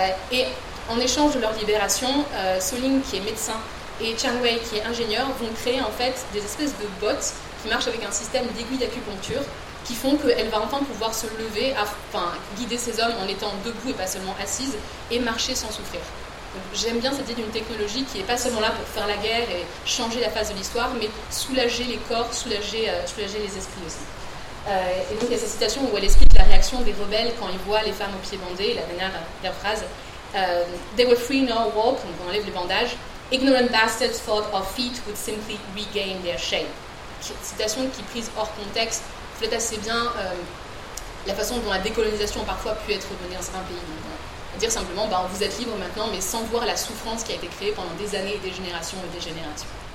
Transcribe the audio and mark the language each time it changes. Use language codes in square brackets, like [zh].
[fr] Et en échange de leur libération, Suling, qui est médecin, et Chang Wei, qui est ingénieur, vont créer en fait des espèces de bottes qui marchent avec un système d'aiguilles d'acupuncture qui font qu'elle va enfin pouvoir se lever, enfin guider ses hommes en étant debout et pas seulement assise, et marcher sans souffrir. Donc, j'aime bien cette idée d'une technologie qui n'est pas seulement là pour faire la guerre et changer la phase de l'histoire, mais soulager les corps, soulager les esprits aussi. Et donc il y a cette citation où elle explique la réaction des rebelles quand ils voient les femmes aux pieds bandés, la dernière phrase. [en] They were free now walk, [fr] donc on enlève les bandages. [en] Ignorant bastards thought our feet would simply regain their shape. [fr] Citation qui, prise hors contexte, reflète assez bien la façon dont la décolonisation a parfois pu être menée dans certains pays. Donc, dire simplement, vous êtes libre maintenant, mais sans voir la souffrance qui a été créée pendant des années, des générations et des générations.